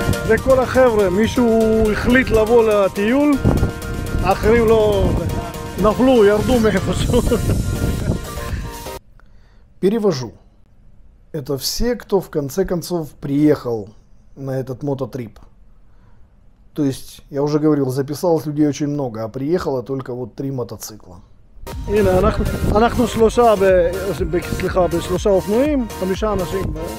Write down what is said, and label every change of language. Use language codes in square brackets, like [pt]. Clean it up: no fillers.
[he] לכל החבר'ה, מישהו החליט לבוא לטיול, אחרים לא נפלו, ירדו מאיפשהו. [ru] Перевожу. Это все, кто в конце концов приехал на этот мототрип. То есть, я уже говорил, записалось людей очень много, а приехало только вот три мотоцикла. [he] הנה, אנחנו שלושה, סליחה, בשלושה אופנועים, חמישה אנשים.